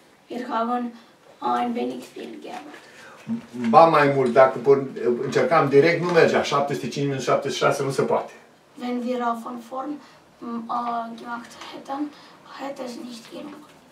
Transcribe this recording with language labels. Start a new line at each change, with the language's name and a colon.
German: Wir haben ein wenig viel gearbeitet.
Romanian: Ba mai mult, dacă încercam direct, nu mergea. 705 minus 76 nu se poate.
German: Wenn wir von vorn gemacht hätten, hätte es nicht genug.